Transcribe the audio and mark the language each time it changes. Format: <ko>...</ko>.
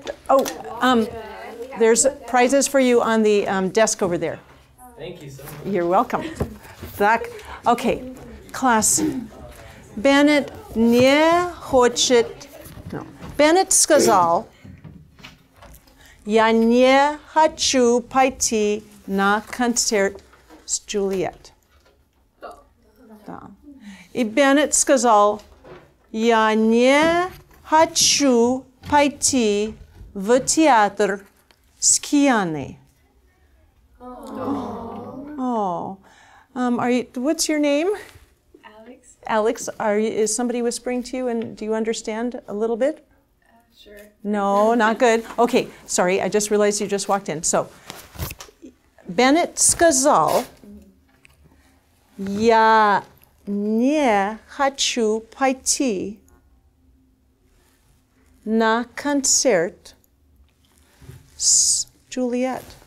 <en>Oh, there's prizes for you on the desk over there. Thank you so much. You're welcome. Back. Okay, class.</en> <ru>Bennett не хочет.</ru> <en>No.</en> <ru>Bennett сказал, я не хочу пойти на концерт с Джульет. Да. И Bennett сказал, я не хочу пойти в театр с Кианой.</ru> <en>Oh. What's your name? Alex. Is somebody whispering to you, and do you understand a little bit? Sure. No, not good. Okay, sorry, I just realized you just walked in.</en> <ru>So, Bennett сказал, я не хочу пойти на концерт с Джульет.</ru>